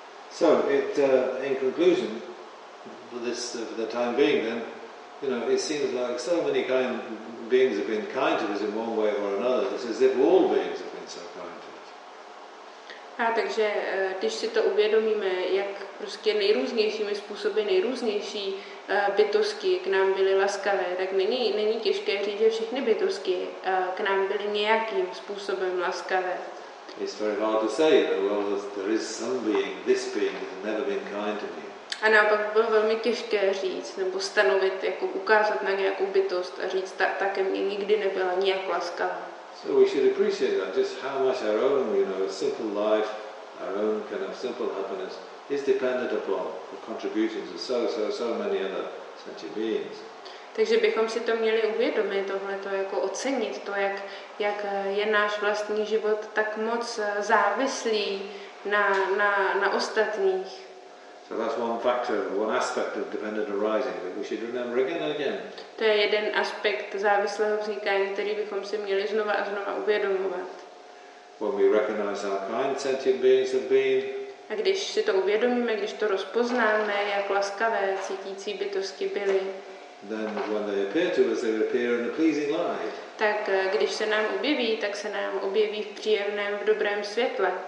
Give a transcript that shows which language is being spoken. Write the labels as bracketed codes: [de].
[en] So, in conclusion, for this for the time being, then, you know, it seems like so many kind beings have been kind to us in one way or another. It's as if all beings have been so kind to us. [cs] A takže když si to uvědomíme, jak prostě nejrůznějšími způsoby nejrůznější bytosti k nám byly laskavé, tak není těžké říct, že všechny bytosti k nám byly nějakým způsobem laskavé. [en] It's very hard to say that, well, there is some being, this being has never been kind to me. [cs] A naopak bylo velmi těžké říct nebo stanovit, jako ukázat na nějakou bytost a říct, ta ke mně nikdy nebyla nijak laskavá. [en] So we should appreciate that, just how much our own, you know, simple life, our own kind of simple happiness is dependent upon the contributions of so many other sentient beings. [cs] Takže bychom si to měli uvědomit, tohleto jako ocenit, to, jak je náš vlastní život tak moc závislý na ostatních. [en] So that's one factor, one aspect of dependent arising that we should remember again and again. [cs] To je jeden aspekt závislého vznikání, který bychom si měli znova a znova uvědomovat. [en] When we recognize how kind sentient beings have been. [cs] A když si to uvědomíme, když to rozpoznáme, jak laskavé cítící bytosti byly. [en] Then when they appear to us, they appear in a pleasing light. [cs] Tak když se nám objeví, tak se nám objeví v příjemném, v dobrém světle.